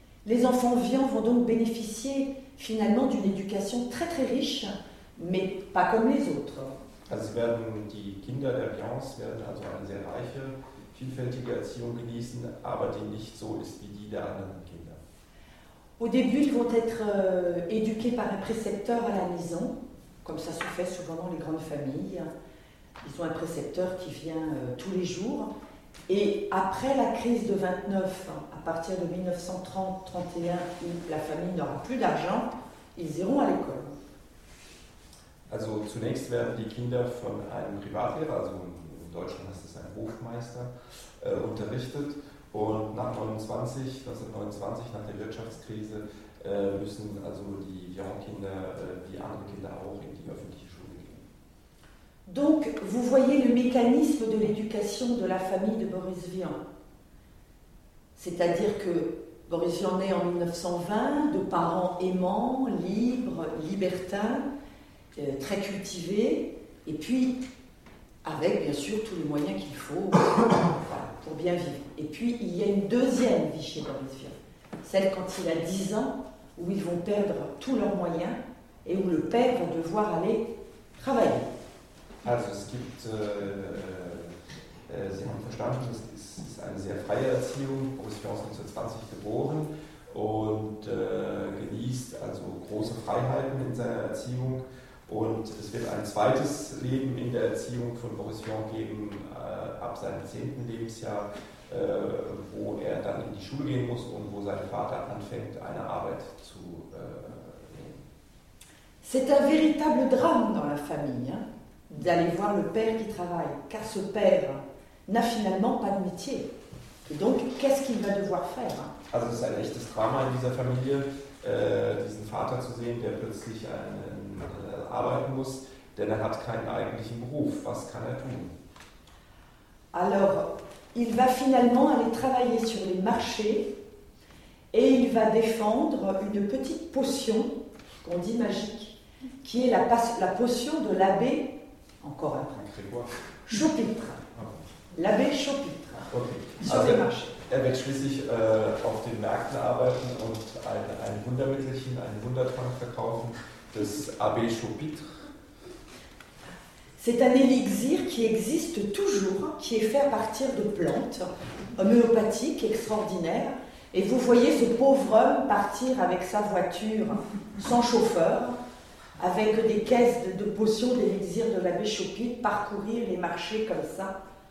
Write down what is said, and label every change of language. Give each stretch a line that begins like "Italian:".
French: Les enfants vivants vont donc bénéficier finalement d'une éducation très très riche, mais pas comme les autres.
German: Also werden die Kinder der Vivants werden also eine sehr reiche, vielfältige Erziehung genießen, aber die nicht so ist wie die der anderen Kinder.
French: Au début, ils vont être éduqués par un précepteur à la maison, comme ça se fait souvent dans les grandes familles. Ils ont un précepteur qui vient tous les jours. Et après la crise de 29, à partir de 1930-31, où la famille n'aura plus d'argent, ils iront à l'école.
German: Also zunächst werden die Kinder von einem Privatlehrer, also in Deutschland heißt es ein Hofmeister, unterrichtet. Und nach 1929, nach der Wirtschaftskrise, müssen also die Vivant-Kinder, wie andere Kinder auch, in die öffentliche Schule.
French: Donc, vous voyez le mécanisme de l'éducation de la famille de Boris Vian. C'est-à-dire que Boris Vian naît en 1920, de parents aimants, libres, libertins, très cultivés, et puis avec, bien sûr, tous les moyens qu'il faut pour bien vivre. Et puis, il y a une deuxième vie chez Boris Vian, celle quand il a 10 ans, où ils vont perdre tous leurs moyens et où le père va devoir aller travailler.
German: Also es gibt, Sie haben verstanden, es ist eine sehr freie Erziehung. Boris Vian ist 1920 geboren und genießt also große Freiheiten in seiner Erziehung. Und es wird ein zweites Leben in der Erziehung von Boris Vian geben, ab seinem 10. Lebensjahr, wo er dann in die Schule gehen muss und wo sein Vater anfängt, eine Arbeit zu nehmen.
French: C'est un véritable drame dans la famille, hein? D'aller voir le père qui travaille, car ce père n'a finalement pas de métier. Et donc, qu'est-ce qu'il va devoir faire?
German: Also,
French: c'est un
German: echtes Drama in dieser Familie, diesen Vater zu sehen, der plötzlich arbeiten muss, denn er hat keinen eigentlichen Beruf. Was kann er tun?
French: Alors, il va finalement aller travailler sur les marchés et il va défendre une petite potion, qu'on dit magique, qui est la potion de l'abbé. Encore un prêtre. Chopitre. L'abbé Chopitre. Okay. Sur les marchés.
German: Er wird schließlich auf den Märkten arbeiten und ein Wundermittelchen, einen Wundertrank verkaufen, das Abbé Chopitre.
French: C'est un élixir qui existe toujours, qui est fait à partir de plantes homéopathiques extraordinaires. Et vous voyez ce pauvre homme partir avec sa voiture sans chauffeur, avec des caisses de potions d'élixir de l'abbé Chopin, parcourir les marchés comme ça.